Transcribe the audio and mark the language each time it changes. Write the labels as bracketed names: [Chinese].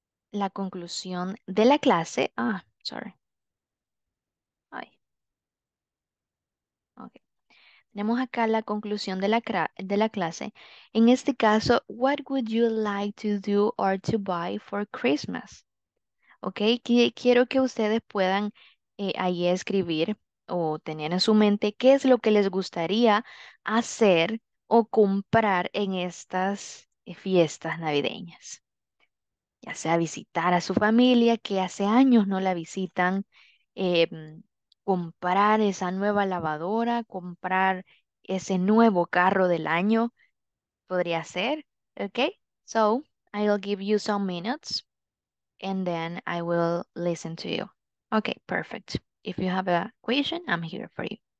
[Spanish] la conclusión de la clase. [English] Ah, sorry. [Spanish] Ay. Okay. Tenemos acá la conclusión de la clase. En este caso, [English] what would you like to do or to buy for Christmas? [Spanish] Okay, quiero que ustedes puedan ahí escribir o tener en su mente qué es lo que les gustaría hacer o comprar en estas fiestas navideñas. Ya sea visitar a su familia que hace años no la visitan, comprar esa nueva lavadora, comprar ese nuevo carro del año, podría ser, okay? [English] So, I'll give you some minutes and then I will listen to you. Okay, perfect. If you have a question, I'm here for you.